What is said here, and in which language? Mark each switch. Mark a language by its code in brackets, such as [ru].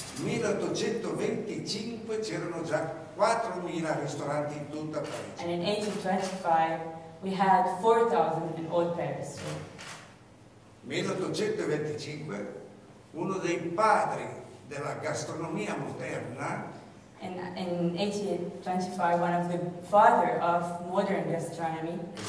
[it] 1825 c'erano già 4000 ristoranti in tutta Parigi. [en] And in 1825, we had 4000 in all Paris. [it] 1825, uno dei padri della gastronomia moderna. [en] In 1825, one of the father of modern gastronomy,